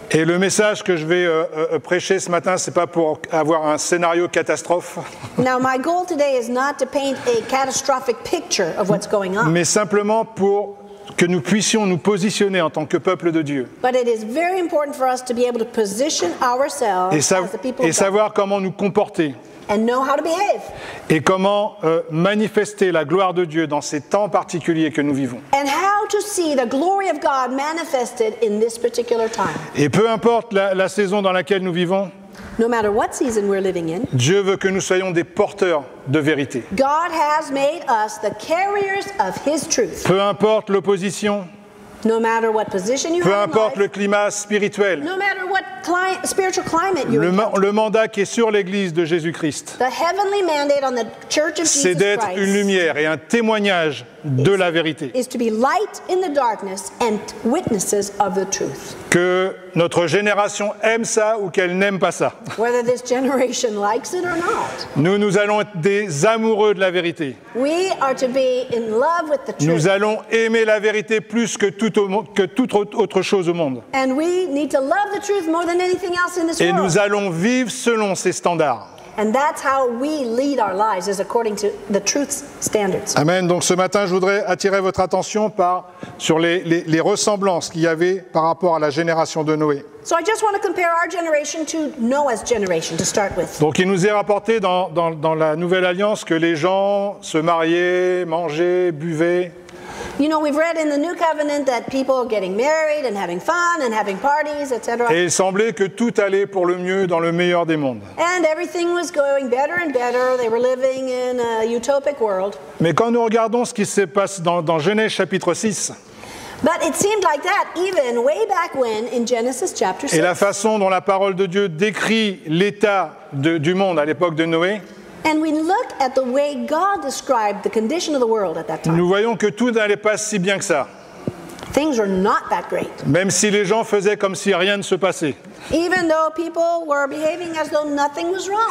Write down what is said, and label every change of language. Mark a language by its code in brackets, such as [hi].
[fr] Et le message que je vais prêcher ce matin, c'est pas pour avoir un scénario catastrophe. [en] Now my goal today is not to paint a catastrophic picture of what's going on. [fr] Mais simplement pour que nous puissions nous positionner en tant que peuple de Dieu. [en] But it is very important for us to be able to position ourselves as the people of God. [fr] Et savoir comment nous comporter. [en] And know how to behave. [fr] Et comment manifester la gloire de Dieu dans ces temps particuliers que nous vivons. [en] And how to see the glory of God manifested in this particular time. [fr] Et peu importe la saison dans laquelle nous vivons. [en] No matter what season we're living in. [fr] Dieu veut que nous soyons des porteurs de vérité. [en] God has made us the carriers of his truth. [fr] Peu importe l'opposition. [en] No matter what position you [fr] have. Peu importe le climat spirituel. [en] No matter what spiritual climate you're in. [fr] Le mandat qui est sur l'église de Jésus-Christ. [en] The heavenly mandate on the church of Jesus Christ. [fr] C'est d'être une lumière et un témoignage de la vérité. [en] Is to be light in the darkness and witnesses of the truth. [fr] que notre génération aime ça ou qu'elle n'aime pas ça. [en] Whether this generation likes it or not. [fr] Nous allons être des amoureux de la vérité. [en] We are to be in love with the truth. [fr] Nous allons aimer la vérité plus que toute autre chose au monde. [en] And we need to love the truth more than anything else in this world. [fr] Et nous allons vivre selon ces standards. [en] And that's how we lead our lives, is according to the truth's standards. [fr] Amen. Donc ce matin, je voudrais attirer votre attention sur les ressemblances qu'il y avait par rapport à la génération de Noé. [en] So I just want to compare our generation to Noah's generation to start with. [fr] Donc il nous est rapporté dans la Nouvelle Alliance que les gens se mariaient, mangeaient, buvaient. [en] You know, we've read in the New Covenant that people are getting married and having fun and having parties, etc. [fr] Et il semblait que tout allait pour le mieux dans le meilleur des mondes. [en] And everything was going better and better. They were living in a utopic world. [fr] Mais quand nous regardons ce qui se passe dans Genèse chapitre 6, [en] but it seemed like that even way back when in Genesis chapter 6. [fr] Et la façon dont la parole de Dieu décrit l'état du monde à l'époque de Noé. [en] And we look at the way God described the condition of the world at that time. [fr] Nous voyons que tout n'allait pas si bien que ça. [en] Things were not that great. [fr] Même si les gens faisaient comme si rien ne se passait. [en] Even though people were behaving as though nothing was wrong.